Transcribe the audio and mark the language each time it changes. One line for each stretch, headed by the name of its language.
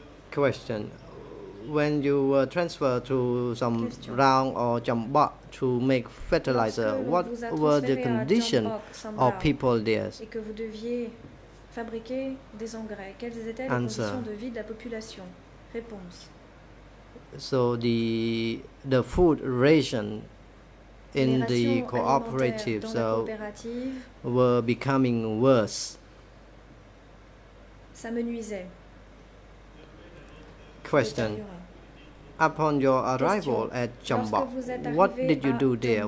English: Question: when you were transferred to some Rang or Jamba to make fertilizer, what were the conditions of people there?
French: Et que vous deviez fabriquer des engrais, quelles étaient les conditions de vie de la population? Réponse:
English: so the food ration in the cooperatives were becoming worse.
French: Ça me nuisait.
English: Question: upon your arrival at Jamba, what did you do there?